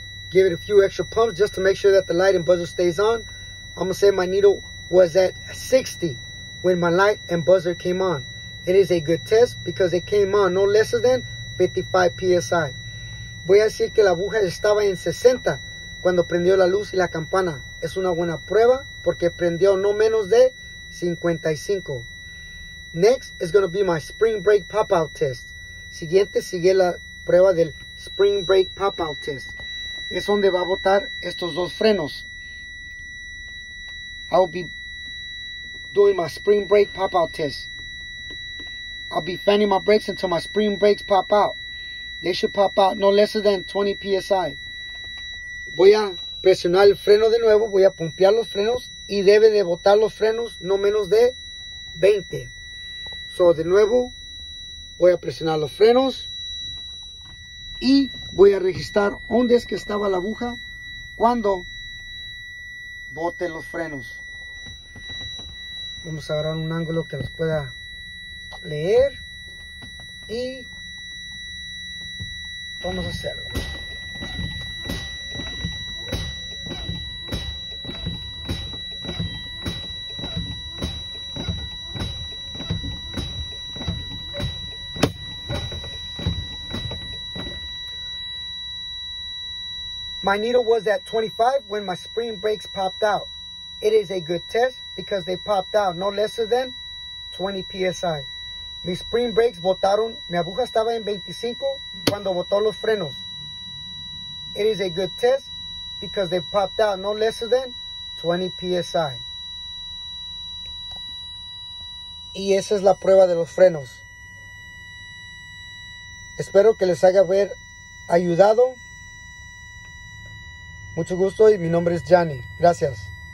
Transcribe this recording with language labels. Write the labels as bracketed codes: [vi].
[en] Give it a few extra pumps just to make sure that the light and buzzer stays on. I'm gonna say my needle was at 60 when my light and buzzer came on. It is a good test because it came on no less than 55 PSI. [es] Voy a decir que la aguja estaba en 60 cuando prendió la luz y la campana. Es una buena prueba porque prendió no menos de 55. [en] Next is going to be my spring brake pop-out test. [es] Siguiente sigue la prueba del spring brake pop-out test. Es donde va a botar estos dos frenos. [en] I'll be doing my spring brake pop-out test. I'll be fanning my brakes until my spring brakes pop out. They should pop out no less than 20 PSI. [es] Voy a presionar el freno de nuevo. Voy a pompear los frenos. Y debe de botar los frenos no menos de 20. So, de nuevo, voy a presionar los frenos. Y voy a registrar dónde es que estaba la aguja cuando bote los frenos. Vamos a agarrar un ángulo que los pueda leer. Y vamos a hacerlo. [en] My needle was at 25 when my spring brakes popped out. It is a good test because they popped out no less than 20 PSI. [es] Mis spring brakes botaron. Mi aguja estaba en 25 cuando botó los frenos. [en] It is a good test because they popped out no less than 20 PSI. [es] Y esa es la prueba de los frenos. Espero que les haya haber ayudado. Mucho gusto y mi nombre es Gianni. Gracias.